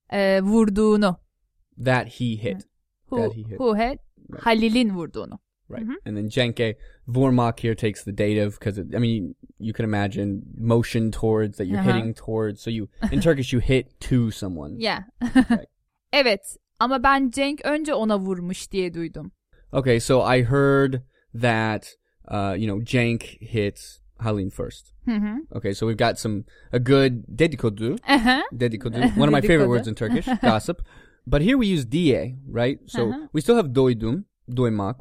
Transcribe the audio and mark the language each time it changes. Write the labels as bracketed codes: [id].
[tr] Vurduğunu. [en] That he hit. Who hit? Right. [tr] Halil'in vurduğunu. [en] Right. Mm-hmm. And then Cenk'e, vurmak here takes the dative because, I mean, you can imagine motion towards, that you're hitting towards. So you, in Turkish, you hit to someone. Yeah. Right. [tr] Evet, ama ben Cenk önce ona vurmuş diye duydum. [en] Okay, so I heard that, Cenk hits Halil first. Mm-hmm. Okay, so we've got a good dedikodu. Dedikodu. One of my favorite words in Turkish, gossip. But here we use diye, right? So we still have doydum, doymak.